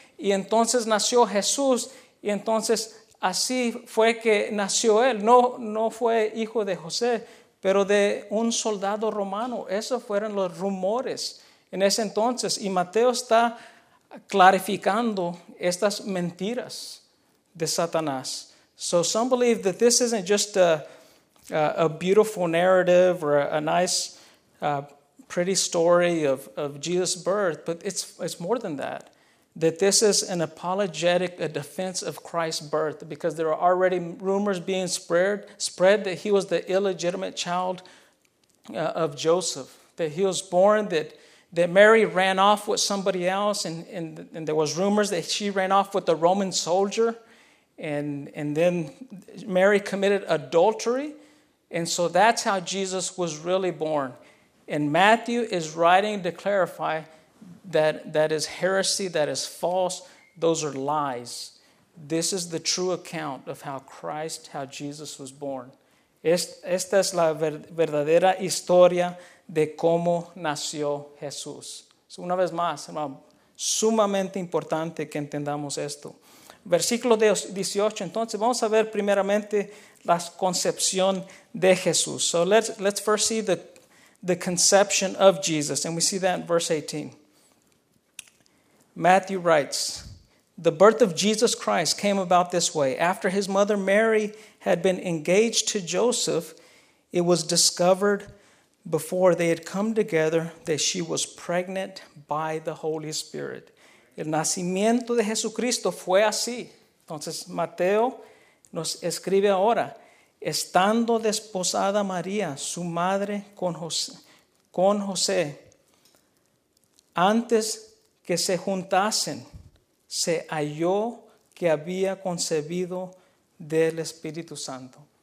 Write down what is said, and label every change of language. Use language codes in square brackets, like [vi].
[es] Y entonces nació Jesús. Y entonces así fue que nació él. No fue hijo de José, pero de un soldado romano. Esos fueron los rumores en ese entonces. Y Mateo está clarificando estas mentiras de Satanás. [en] So some believe that this isn't just a beautiful narrative or a nice, pretty story of Jesus' birth, but it's more than that. That this is an apologetic, a defense of Christ's birth, because there are already rumors being spread that he was the illegitimate child of Joseph, that he was born, that Mary ran off with somebody else, and there was rumors that she ran off with a Roman soldier, and then Mary committed adultery, and so that's how Jesus was really born. And Matthew is writing to clarify that is heresy, that is false, those are lies. This is the true account of how Jesus was born. [es] Esta es la verdadera historia de cómo nació Jesús. So, una vez más, hermano, sumamente importante que entendamos esto. Versículo 18, entonces vamos a ver primeramente la concepción de Jesús. [en] So let's first see the conception of Jesus, and we see that in verse 18. Matthew writes, "The birth of Jesus Christ came about this way. After his mother Mary had been engaged to Joseph, it was discovered before they had come together that she was pregnant by the Holy Spirit." [es] El nacimiento de Jesucristo fue así. Entonces, Mateo nos escribe ahora, estando desposada María, su madre, con José, antes que se juntasen, se halló que había concebido del Espíritu Santo.